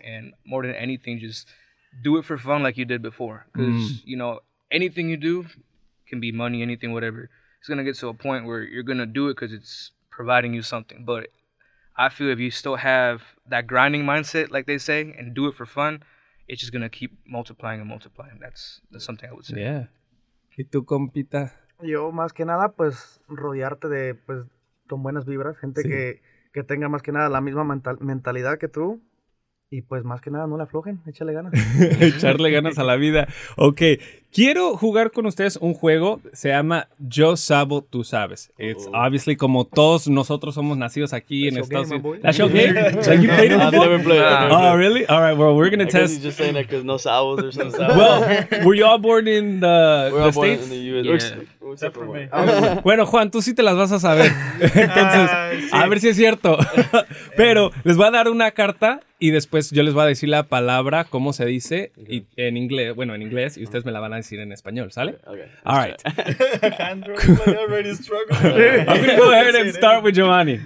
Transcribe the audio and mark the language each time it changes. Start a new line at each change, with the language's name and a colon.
English: And more than anything, just do it for fun like you did before, because you know, anything you do can be money, anything, whatever, it's gonna get to a point where you're gonna do it because it's providing you something. But I feel if you still have that grinding mindset, like they say, and do it for fun, it's just gonna keep multiplying and multiplying. That's something I would say.
Spanish: Yeah. ¿Y tú, compita? Yo, más que nada, pues, rodearte de, pues, con buenas vibras. Gente que tenga, más que nada, la misma mentalidad que tú. Y, pues, más que nada, no la aflojen. Échale ganas. Echarle ganas a la vida. Ok. Quiero jugar con ustedes un juego. Se llama Yo Sabo, Tú Sabes.
English: It's obviously
Spanish: como todos nosotros somos nacidos aquí
English: That's
Spanish: en Estados Unidos.
English: That's your game, my boy. That's your game? I've never played. Oh, really? All right, well, we're going to test. I guess he's just saying that because
Spanish: no sabos
English: or something. Sabos. Well, were you all born in the States? We're all born States? In the U.S. Yeah. Except for me.
Spanish: Bueno, Juan, tú sí te las vas a saber. Entonces, a ver si es cierto. Pero les voy a dar una carta y después yo les voy a decir la palabra, cómo se dice, y en inglés, bueno, en inglés, y ustedes me la van a decir en español, ¿sale?
English: Okay. All right. Android, I already struggled. I'm going to go ahead and start with Giovanni.